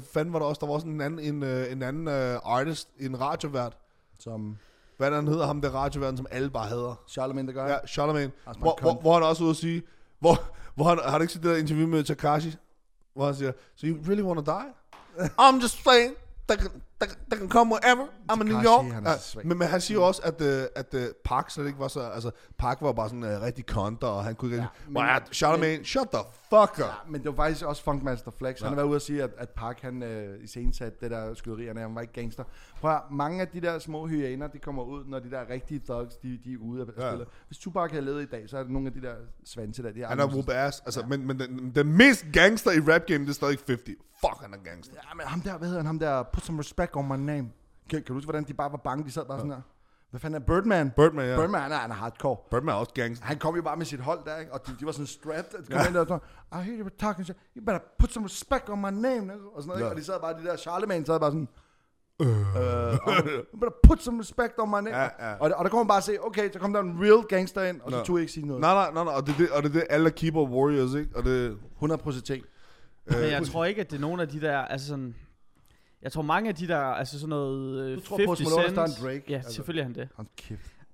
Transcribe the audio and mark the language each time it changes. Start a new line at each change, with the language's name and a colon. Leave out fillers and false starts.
Danish: Hvem fanden var der også en anden artist, en radiovært, som... Hvad han hedder ham, det radioværende, som alle bare hader? Charlamagne, det gør han. Ja, Charlamagne. Hvor han også ud at sige, har du ikke set det der interview med Takashi? Hvor han siger,
English: so you really wanna die? I'm just saying, that can come whatever. I'm in New York.
Danish: Men han siger også, at Park slet ikke var så, altså Park var bare sådan rigtig konter, og han kunne ikke... Ja, men, Charlamagne, men,
English: shut the fuck up.
Danish: Ja, men det var faktisk også Funkmaster Flex. Ja. Han har været ude at sige, at Park han iscenesat det der skyderierne, han var ikke gangster. Prøv at, mange af de der små hyæner, de kommer ud, når de der rigtige thugs, de er ude at spille. Ja. Hvis Tupac havde levet i dag, så er det nogle af de der svanse der. Han er whoop ass. Altså, ja. Men den mest gangster i rap game, det er stadig 50. Fuck, han er gangster. Ja, men ham der, hvad hedder han? Ham der,
English: put some respect on my name.
Danish: Kan du huske, hvordan de bare var bange? De sad bare sådan der. Hvad fanden er Birdman? Birdman, ja. Birdman, han er hardcore. Birdman er også gangster. Han kom jo bare med sit hold der, ikke? Og de var sådan strapped. Ja. Ind, og sådan,
English: I hear you were talking shit. You better put some respect on my name.
Danish: Og sådan noget, ja. Og de sad bare, de der Charlemagne sad bare sådan.
English: You better put some respect on my name.
Danish: Ja, ja. Og der kom han bare og sagde, okay, så kom der en real gangster ind. Og så tog jeg ikke sige noget. Nej. Og det er alle keyboard warriors, ikke? Og det... 100% ting. Men jeg tror ikke, at det er nogen af de der, altså sådan... Jeg tror mange af de der, altså sådan noget... Du tror 50 på, at Smolov er en Drake? Ja, altså, selvfølgelig er han det. Han kæft.